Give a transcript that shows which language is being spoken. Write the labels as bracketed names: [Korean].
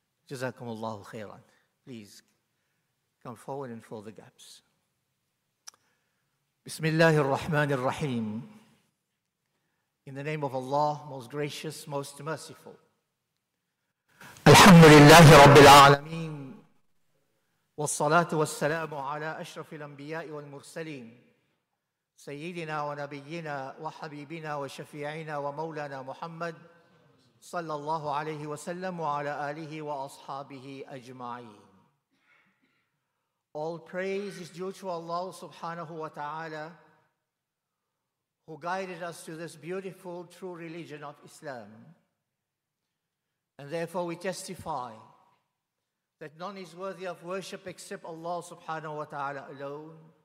[English] Jazakumullahu khairan. Please come forward and fill the gaps. [Arabic] Bismillahir Rahmanir Rahim. [English] In the name of Allah, most gracious, most merciful. [Arabic] Alhamdulillahi Rabbil Alameen. والصلاة والسلام على أشرف الأنبياء والمرسلين سيدنا ونبينا وحبيبنا وشفيعنا ومولانا محمد صلى الله عليه وسلم وعلى آله وأصحابه أجمعين. [English] All praise is due to Allah subhanahu wa ta'ala, who guided us to this beautiful true religion of Islam. And therefore we testify that none is worthy of worship except Allah subhanahu wa ta'ala alone.